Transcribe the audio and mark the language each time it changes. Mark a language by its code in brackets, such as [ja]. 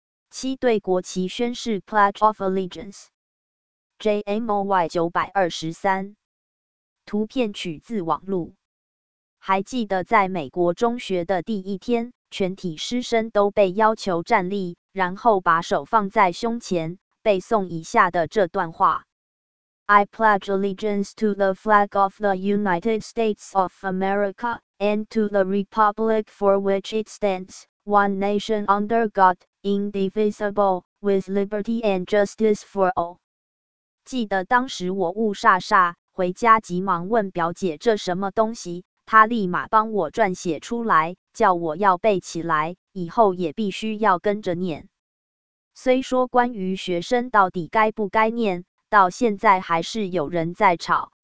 [zh] 七、对国旗宣誓 Pledge of Allegiance。JMOY923 图片取自网路。还记得在美国中学的第一天，全体师生都被要求站立，然后把手放在胸前，背诵以下的这段话。 [en] I pledge allegiance to the flag of the United States of America, and to the republic for which it stands, one nation under God, indivisible, with liberty and justice for all. [zh] 记得当时我误煞煞，回家急忙问表姐这什么东西，她立马帮我撰写出来，叫我要背起来，以后也必须要跟着念。虽说关于学生到底该不该念，到现在还是有人在吵，